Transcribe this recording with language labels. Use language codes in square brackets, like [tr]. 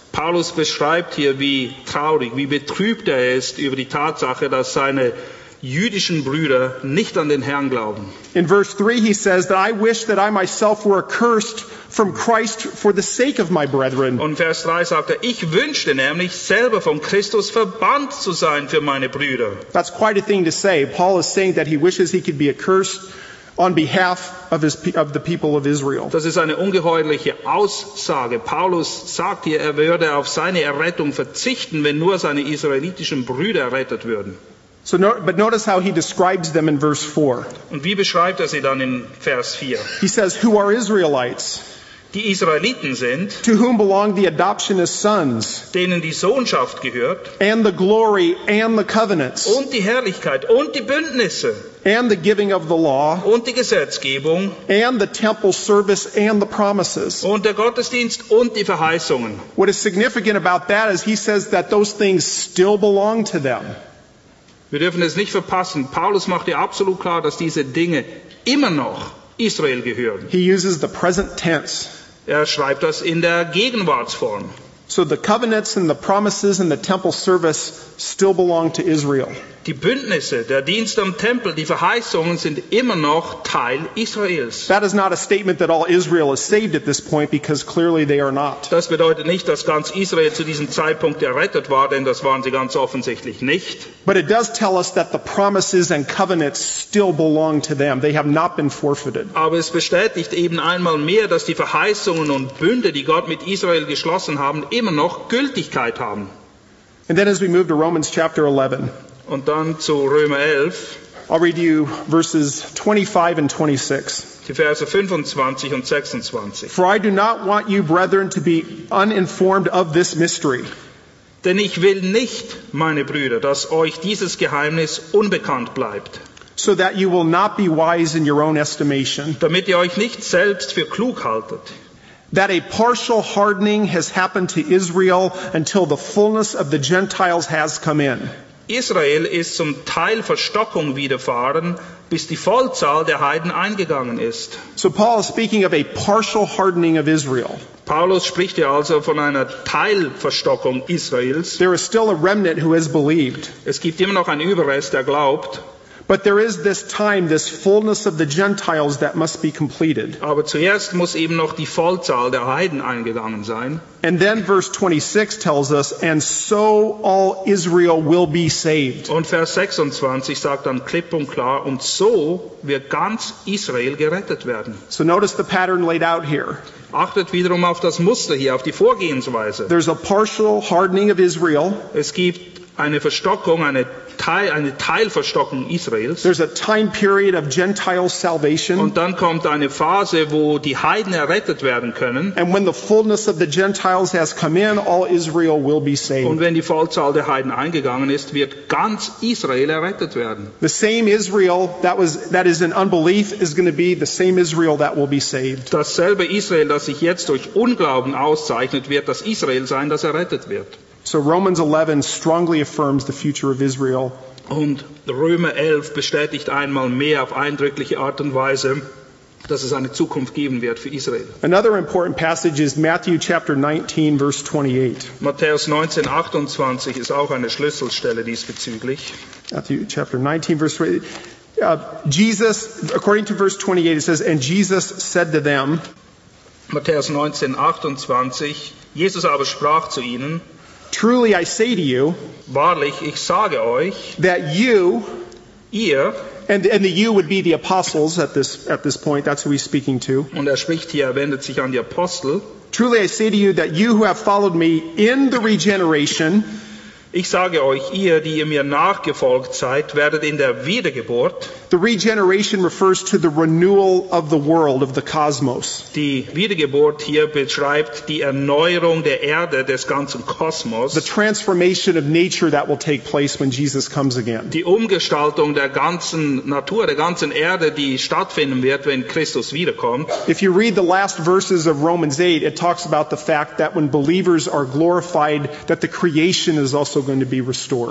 [de] Paulus beschreibt hier, wie traurig, wie betrübt er ist über die Tatsache, dass seine jüdischen Brüder nicht an den Herrn glauben. [en] In verse 3 he says that I wish that I myself were accursed from Christ for the sake of my brethren. [de] Und Vers 3 sagt er, ich wünschte nämlich selber von Christus verbannt zu sein für meine Brüder. [en] That's quite a thing to say. Paul is saying that he wishes he could be accursed on behalf of the people of Israel. [de] Das ist eine ungeheuerliche Aussage. Paulus sagt hier, er würde auf seine Errettung verzichten, wenn nur seine israelitischen Brüder errettet würden. [en] So, but notice how he describes them in verse 4. [de] Und wie beschreibt er sie dann in Vers 4? [en] He says, who are Israelites? [de] Die Israeliten sind. [en] To whom belong the adoption as sons? [de] Denen die Sohnschaft gehört. [en] And the glory and the covenants. [de] Und die Herrlichkeit und die Bündnisse. [en] And the giving of the law. [de] Und die Gesetzgebung. [en] And the temple service and the promises. [de] Und der Gottesdienst und die Verheißungen. [en] What is significant about that is he says that those things still belong to them. [de] Wir dürfen es nicht verpassen. Paulus macht dir absolut klar, dass diese Dinge immer noch Israel gehören. [en] He uses the present tense. [de] Er schreibt das in der Gegenwartsform. [en] So the covenants and the promises and the temple service still belong to Israel. [de] Die Bündnisse, der Dienst am Tempel, die Verheißungen sind immer noch Teil Israels. [en] That is not a statement that all Israel is saved at this point, because clearly they are not. [de] Das bedeutet nicht, dass ganz Israel zu diesem Zeitpunkt errettet war, denn das waren sie ganz offensichtlich nicht. [en] But it does tell us that the promises and covenants still belong to them. They have not been forfeited. [de] Aber es bestätigt eben einmal mehr, dass die Verheißungen und Bünde, die Gott mit Israel geschlossen haben, immer noch Gültigkeit haben. [en] And then as we move to Romans chapter 11, [de] und dann zu Römer 11. [en] I'll read you verses 25 and 26. [de] Die Verse 25 und 26. [en] For I do not want you, brethren, to be uninformed of this mystery. [de] Denn ich will nicht, meine Brüder, dass euch dieses Geheimnis unbekannt bleibt. [en] So that you will not be wise in your own estimation. [de] Damit ihr euch nicht selbst für klug haltet. [en] that a partial hardening has happened to Israel until the fullness of the Gentiles has come in. [de] Israel ist zum Teil Verstockung widerfahren, bis die Vollzahl der Heiden eingegangen ist. [en] So Paul is speaking of a partial hardening of Israel. [de] Paulus spricht ja also von einer Teilverstockung Israels. [en] There is still a remnant who has believed. [de] Es gibt immer noch einen Überrest, der glaubt. [en] But there is this time, this fullness of the Gentiles that must be completed. [de] Aber zuerst muss eben noch die Vollzahl der Heiden eingegangen sein. [en] And then verse 26 tells us, and so all Israel will be saved. [de] Und Vers 26 sagt dann klipp und klar, und so wird ganz Israel gerettet werden. [en] So notice the pattern laid out here. [de] Achtet wiederum auf das Muster hier, auf die Vorgehensweise. [en] There's a partial hardening of Israel. [de] Es gibt eine Verstockung, eine Teilverstockung Israels. [en] There's a time period of Gentile salvation. [de] Und dann kommt eine Phase, wo die Heiden errettet werden können. [en] And when the fullness of the Gentiles has come in, all Israel will be saved. [de] Und wenn die Vollzahl der Heiden eingegangen ist, wird ganz Israel errettet werden. [en] The same Israel that is in unbelief is going to be the same Israel that will be saved. [de] Dasselbe Israel, das sich jetzt durch Unglauben auszeichnet, wird das Israel sein, das errettet wird. [en] So Romans 11 strongly affirms the future of Israel. [de] Und Römer 11 bestätigt einmal mehr auf eindrückliche Art und Weise, dass es eine Zukunft geben wird für Israel. [en] Another important passage is Matthew chapter 19 verse 28. [de] Matthäus 19, 28 ist auch eine Schlüsselstelle diesbezüglich. [en] Matthew chapter 19 verse 28. Jesus, according to verse 28, it says, and Jesus said to them. [de] Matthäus 19, 28. Jesus aber sprach zu ihnen. [en] Truly I say to you, [de] wahrlich, ich sage euch, [en] that you, [de] ihr, [en] and the you would be the apostles at this point, that's who he's speaking to. [de] Und spricht hier, wendet sich an die Apostel. [en] Truly I say to you that you who have followed me in the regeneration, [de] ich sage euch, ihr, die ihr mir nachgefolgt seid, werdet in der Wiedergeburt. [en] The regeneration refers to the renewal of the world, of the cosmos. [de] Die Wiedergeburt hier beschreibt die Erneuerung der Erde, des ganzen Kosmos. [en] The transformation of nature that will take place when Jesus comes again. [de] Die Umgestaltung der ganzen Natur, der ganzen Erde, die stattfinden wird, wenn Christus wiederkommt. [en] If you read the last verses of Romans 8, it talks about the fact that when believers are glorified, that the creation is also going to be restored.